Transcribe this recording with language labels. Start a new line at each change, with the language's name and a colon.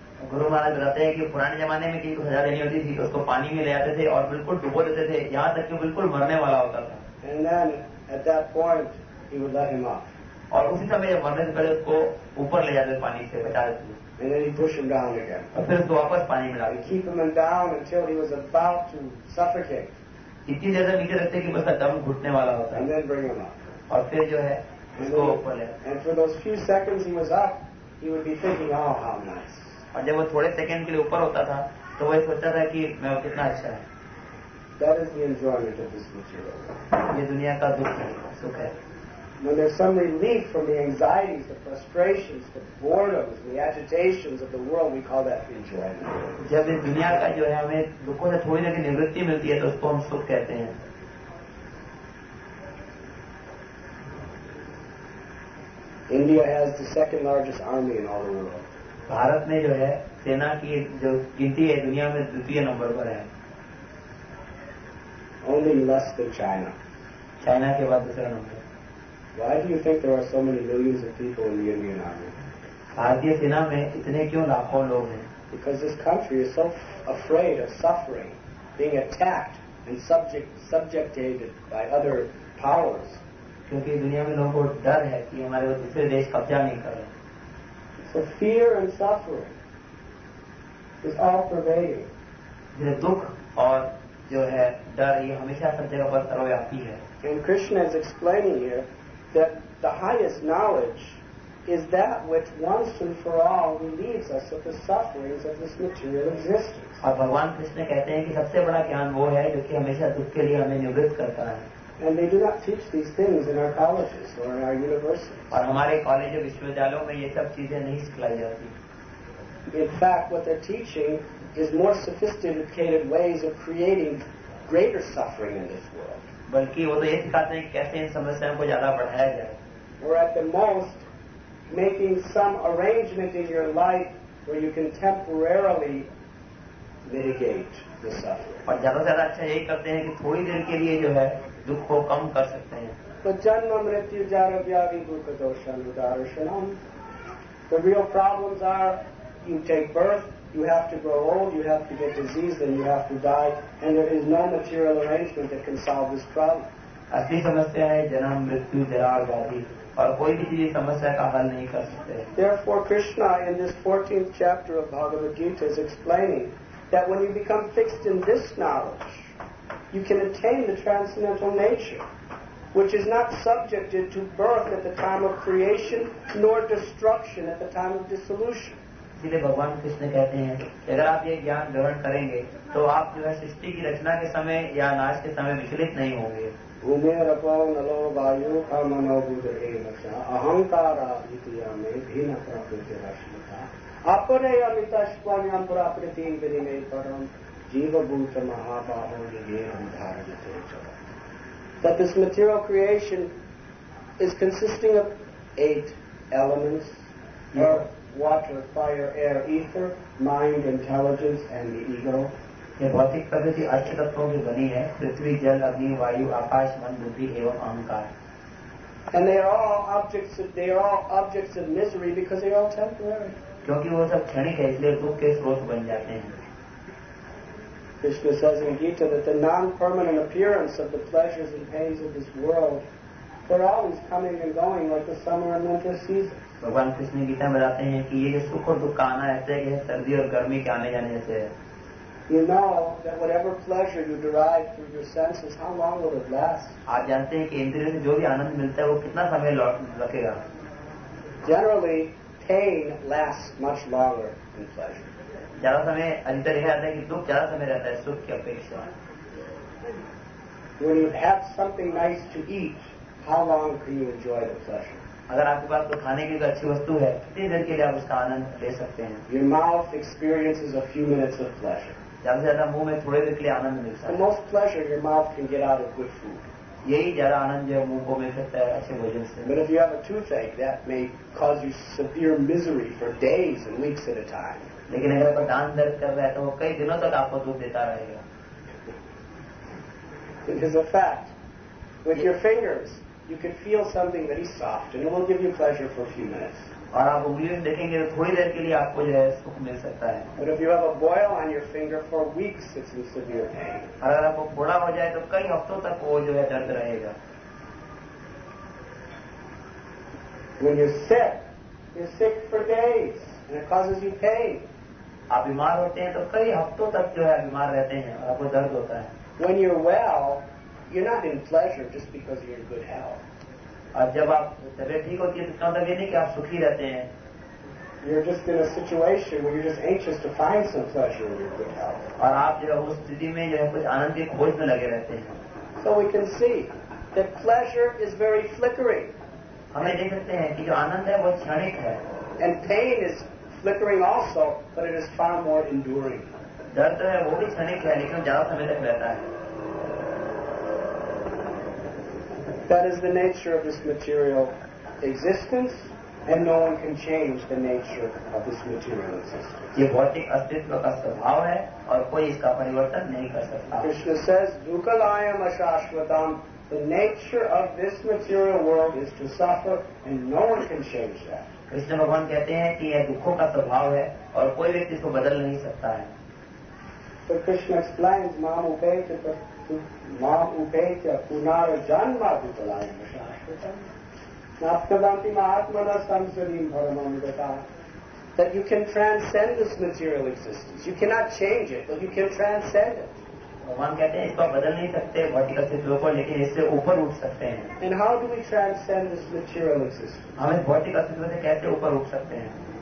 Hindi: गुरु महाराज बताते हैं कि पुराने जमाने में किसी को सजा देनी होती थी तो उसको पानी में ले आते थे और बिल्कुल डुबो देते थे यहाँ तक कि बिल्कुल मरने वाला होता था.
English: And then at that point he would let him off.
Hindi: और उसी समय मरने से पहले उसको ऊपर ले जाते पानी से बचा देते.
English: And then he'd push him down again.
Hindi: और फिर उसको वापस पानी में ला.
English: Keep him down until he was about to suffocate.
Hindi: इतनी देर नीचे रहते कि बस दम घुटने वाला होता.
English: And then bring him up.
Hindi: और फिर जो है उसको ऊपर ले.
English: And for those few seconds he was up, he would be thinking, oh, how nice.
Hindi: और जब वो थोड़े सेकंड के लिए ऊपर होता था तो वो सोचता था कि मैं कितना अच्छा है.
English: That is the enjoyment of this material.
Hindi: ये दुनिया का दुख है, सुख है.
English: When there's some relief from the anxieties, the frustrations, the boredoms, the agitations of the world, we call that enjoyment.
Hindi: जब इस दुनिया का जो है हमें दुखों से थोड़ी देर की निवृत्ति मिलती है तो उसको हम सुख कहते हैं.
English: India has the second largest army in all the world.
Hindi: Bharat में जो है सेना की जो गिनती है दुनिया में द्वितीय नंबर पर है.
English: Only less than China.
Hindi: China के बाद दूसरा number.
English: Why do you think there are so many millions of people in the Indian army?
Hindi: भारतीय सेना में इतने क्यों लाखों लोग हैं?
English: Because this country is so afraid of suffering, being attacked and subjugated by other powers.
Hindi: क्योंकि दुनिया में लोगों को डर है कि हमारे वो दूसरे देश कब्जा नहीं कर रहे.
English: So fear and suffering is all pervading.
Hindi: ये दुख और जो है डर ये हमेशा सब जगह पर सर्वव्यापी है.
English: And Krishna is explaining here that the highest knowledge is that which once and for all relieves us of the sufferings of this material existence.
Hindi: और भगवान कृष्ण कहते हैं कि सबसे बड़ा ज्ञान वो है जो कि हमेशा दुख के लिए हमें निवृत्त करता है.
English: And they do not teach these things in our colleges or in our universities.
Hindi: और हमारे कॉलेज और विश्वविद्यालयों में ये सब चीजें नहीं सिखलाई जाती.
English: In fact, what they're teaching is more sophisticated ways of creating greater suffering in this world.
Hindi: बल्कि वो तो ये सिखाते हैं कैसे इन समस्याओं को ज्यादा बढ़ाया जाए.
English: Or at the most, making some arrangement in your life where you can temporarily mitigate the suffering.
Hindi: और ज्यादा से ज्यादा अच्छा यही करते हैं कि थोड़ी देर के लिए जो है दुख को कम कर सकते हैं.
Sanskrit: तो जन्म मृत्यु जार व्याधि दुख दोषण उदारशनम.
English: The real problems are you take birth, you have to grow old, you have to get diseased, and you have to die, and there is no material arrangement that can solve this problem.
Hindi: असली समस्या है जन्म मृत्यु जरा व्याधि और कोई भी चीज समस्या का हल नहीं कर सकते.
English: Therefore Krishna in this 14th chapter of Bhagavad Gita is explaining that when you become fixed in this knowledge, you can attain the transcendental nature, which is not subjected to birth at the time of creation, nor destruction at the time of dissolution.
Hindi: इसलिए भगवान कृष्ण कहते हैं अगर आप ये ज्ञान ग्रहण करेंगे तो आप जो है सृष्टि की रचना के समय या नाश के समय विचलित नहीं होंगे.
Sanskrit: उमेर अपौ नलो वायु का मनोबुद्ध एव च अहंकार आदित्या में भिन्न प्रकृति रश्मिता अपरे अमिताश्वान्यां प्राप्तिं विनिमय परम जीवभूत महाभाव ये धारयते च.
English: That this material creation is consisting of eight elements, earth, water, fire, air, ether, mind, intelligence, and the ego.
Hindi: ये भौतिक प्रकृति अष्ट तत्वों की बनी है, पृथ्वी, जल, अग्नि, वायु, आकाश, मन, बुद्धि एवं अहंकार।
English: And they are all objects. They are all objects of misery because they are all temporary.
Hindi: क्योंकि वो सब क्षणिक है, इसलिए दुख के स्रोत बन जाते हैं।
English: Krishna says in Gita that the non-permanent appearance of the pleasures and pains of this world are always coming and going like the summer and winter seasons.
Hindi: भगवान कृष्ण गीता में बताते हैं कि ये जो सुख और दुख का आना ऐसे है, सर्दी और गर्मी के आने जाने से है।
English: You know that whatever pleasure you derive through your senses, how long will it last?
Hindi: आप जानते हैं कि इंद्रियों से जो भी आनंद मिलता है वो कितना समय लगेगा?
English: Generally, pain lasts much longer than pleasure.
Hindi: ज्यादा समय अंतर यह आता है कि दुख ज्यादा समय रहता है सुख की अपेक्षा।
English: When you have something nice to eat, how long can you enjoy the pleasure?
Hindi: अगर आपके पास तो खाने की अच्छी वस्तु है, कितने देर के लिए आप उसका आनंद ले सकते हैं?
English: Your mouth experiences a few minutes of pleasure.
Hindi: ज्यादा से ज्यादा मुंह में थोड़े देर के लिए आनंद मिल सकता है।
English: The most pleasure your mouth can get out of good food.
Hindi: यही ज्यादा आनंद जो मुंह को मिल सकता है अच्छे भोजन से।
English: But if you have a toothache, that may cause you severe misery for days and weeks at a time.
Hindi: लेकिन अगर आपका दांत दर्द कर रहा है तो वो कई दिनों तक आपको दुख देता रहेगा।
English: It is a fact. With your fingers, you can feel something very soft and it will give you pleasure for a few minutes.
Hindi: और आप उंगलियों में देखेंगे तो थोड़ी देर के लिए आपको जो है सुख मिल सकता है।
English: But if you have a boil on your finger for weeks, it's in severe pain.
Hindi: और अगर आपको फोड़ा हो जाए तो कई हफ्तों तक वो जो है दर्द रहेगा।
English: When you're sick for days and it causes you pain.
Hindi: आप बीमार होते हैं तो कई हफ्तों तक जो है बीमार रहते हैं और आपको दर्द होता है।
English: When you're well, you're not in pleasure just because you're in good health.
Hindi: और जब आप तबियत ठीक होती है तो इसका मतलब ये नहीं कि आप सुखी रहते हैं।
English: You're just in a situation where you're just anxious to find some pleasure in your good health.
Hindi: और आप जो है उस स्थिति में जो है कुछ आनंद की खोज में लगे रहते हैं।
English: So we can see that pleasure is very flickering.
Hindi: हमें देख सकते हैं कि जो आनंद है वो क्षणिक है।
English: And pain is flickering also, but it is far more enduring.
Hindi: दर्द तो है वो भी क्षणिक है लेकिन ज्यादा समय तक रहता है।
English: That is the nature of this material existence, and no one can change the nature of this material existence.
Hindi: ये भौतिक अस्तित्व का स्वभाव है और कोई इसका परिवर्तन नहीं कर सकता।
English: Krishna says,
Sanskrit: "Dukalayam ashashvatam."
English: The nature of this material world is to suffer, and no one can change that.
Hindi: Krishna भगवान कहते हैं कि यह दुखों का स्वभाव है और कोई व्यक्ति इसको बदल नहीं सकता है।
English: So Krishna explains,
Sanskrit: "Mam upetita." माँ उपेत पुनर जन्म भूतलायम शाश्वतम आत्मना संसदीम भरमता।
English: That you can transcend this material existence. You cannot change it, but you can transcend it.
Hindi: भगवान कहते हैं इसको बदल नहीं सकते भौतिक अस्तित्व को, लेकिन इससे ऊपर उठ सकते हैं।
English: And how do we transcend this material existence?
Hindi: हम इस भौतिक अस्तित्व से कैसे ऊपर उठ सकते हैं?